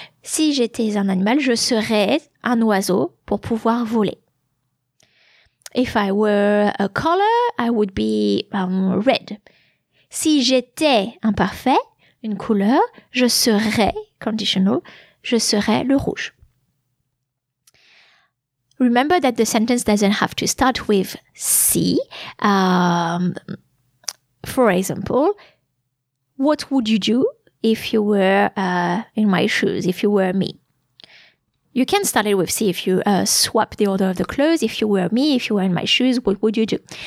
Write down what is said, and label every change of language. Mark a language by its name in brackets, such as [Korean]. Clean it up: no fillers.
[French] Si j'étais un animal, je serais un oiseau pour pouvoir voler. [English] If I were a color, I would be red. [French] Si j'étais imparfait, une couleur, je serais conditional, je serais le rouge. [English] Remember that the sentence doesn't have to start with si. For example, what would you do if you were in my shoes, if you were me? You can start it with, see if you swap the order of the clothes. If you were me, if you were in my shoes, what would you do?